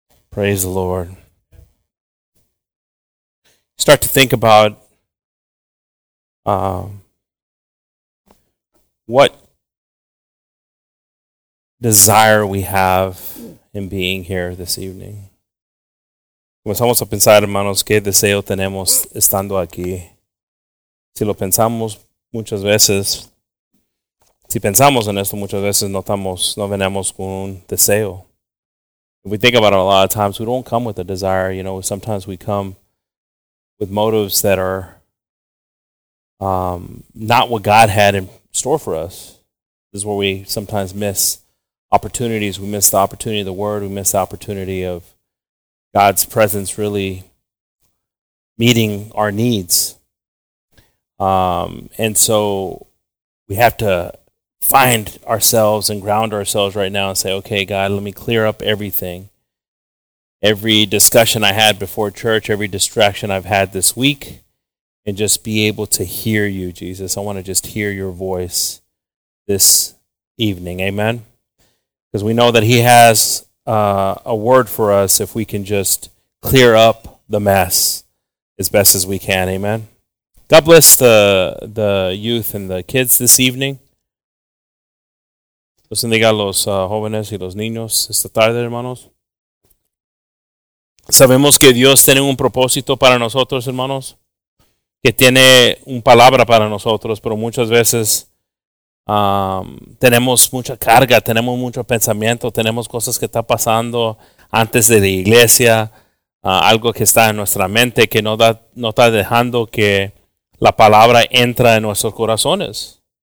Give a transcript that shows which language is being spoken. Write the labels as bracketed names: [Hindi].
[English] Praise the Lord. Start to think about what desire we have in being here this evening. [Spanish] Como estamos a pensar, hermanos, qué deseo tenemos estando aquí. Si lo pensamos muchas veces, si pensamos en esto muchas veces, no venemos con un deseo. [English] If we think about it a lot of times, we don't come with a desire. You know, sometimes we come with motives that are not what God had in store for us. This is where we sometimes miss opportunities. We miss the opportunity of the word. We miss the opportunity of God's presence really meeting our needs. And so we have to find ourselves and ground ourselves right now and say, okay, God, let me clear up everything. Every discussion I had before church, every distraction I've had this week, and just be able to hear you, Jesus. I want to just hear your voice this evening. Amen. Because we know that he has a word for us if we can just clear up the mess as best as we can. Amen. God bless the youth and the kids this evening. [Spanish] Los bendiga los jóvenes y los niños esta tarde, hermanos. Sabemos que Dios tiene un propósito para nosotros, hermanos. Que tiene una palabra para nosotros, pero muchas veces tenemos mucha carga, tenemos mucho pensamiento, tenemos cosas que está pasando antes de la iglesia, algo que está en nuestra mente que no está dejando que la palabra entra en nuestros corazones.